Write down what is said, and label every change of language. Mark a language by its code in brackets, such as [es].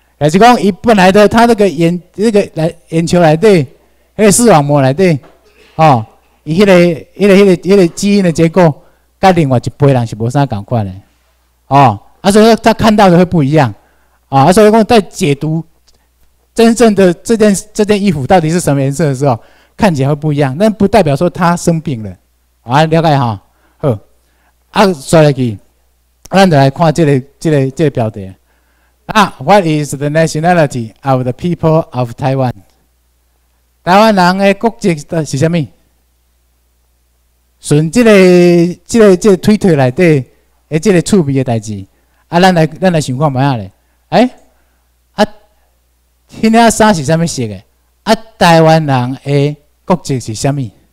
[nan] 也是讲，伊本来的他那个眼，那个来眼球来对，迄、那个视网膜来对，哦，伊迄个基因的结构，甲另外一辈人是无啥共款的，哦，啊，所以他看到的会不一样，哦、啊，所以讲在解读真正的这件衣服到底是什么颜色的时候，看起来会不一样，但不代表说他生病了，啊，了解哈，好，啊，说来去，咱就来看这个标题。 [en] 啊 ，What is the nationality of the people of Taiwan？ [nan] 台湾人的国籍是啥物？顺这个推特内底，诶，这个趣味的代志，啊，咱来想看卖下咧。哎，啊，今天衫是啥物色的？啊，台湾人的国籍是啥物？